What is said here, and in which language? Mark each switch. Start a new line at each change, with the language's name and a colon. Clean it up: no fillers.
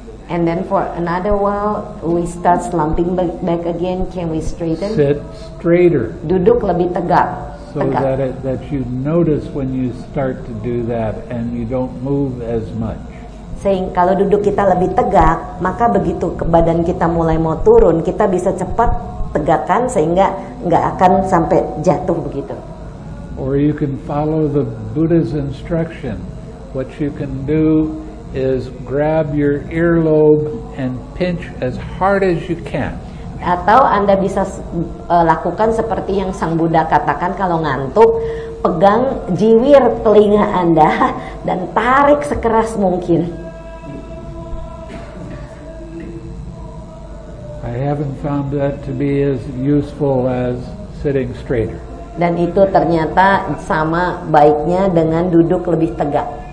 English: And then for another while, we start slumping back again. Can we straighten? Sit straighter.
Indonesian: Duduk lebih tegak.
English: So that you notice when you start to do that and you don't move as much.
Indonesian: Saying kalau duduk kita lebih tegak, maka begitu badan kita mulai mau turun, kita bisa cepat tegakkan sehingga enggak akan sampai jatuh begitu.
English: Or you can follow the Buddha's instruction. What you can do is grab your earlobe and pinch as hard as you can.
Indonesian: Atau Anda bisa lakukan seperti yang Sang Buddha katakan, kalau ngantuk pegang jiwir telinga Anda dan tarik sekeras mungkin.
English: I haven't found that to be as useful as sitting straighter.
Indonesian: Dan itu ternyata sama baiknya dengan duduk lebih tegak.